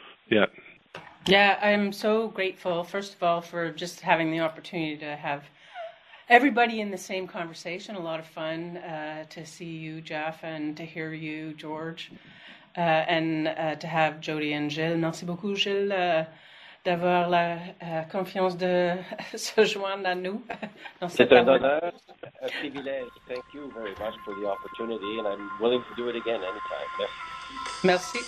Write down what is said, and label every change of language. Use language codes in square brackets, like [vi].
[en] Yeah. Yeah, I'm so grateful, first of all, for just having the opportunity to have everybody in the same conversation. A lot of fun to see you, Geoff, and to hear you, George, and to have Jody and Gilles. [fr] Merci beaucoup, Gilles, d'avoir la confiance de se joindre à nous. C'est un honneur, a privilège. [en] Thank you very much for the opportunity, and I'm willing to do it again anytime. Merci.